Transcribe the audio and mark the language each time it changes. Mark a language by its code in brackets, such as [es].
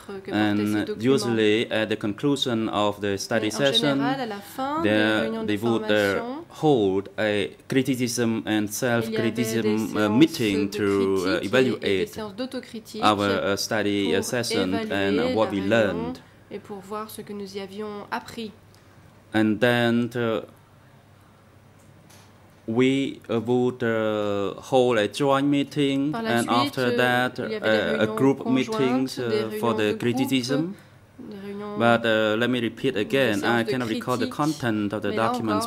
[en] And usually, at the conclusion of the study session, they would hold a criticism and self-criticism meeting to evaluate our study session. And what we learned, [fr] et pour voir ce que nous y avions appris. [en] And then we would hold a joint meeting, and [fr] suite, [en] after that a group meeting for the criticism. But let me repeat again, I cannot recall the content of the documents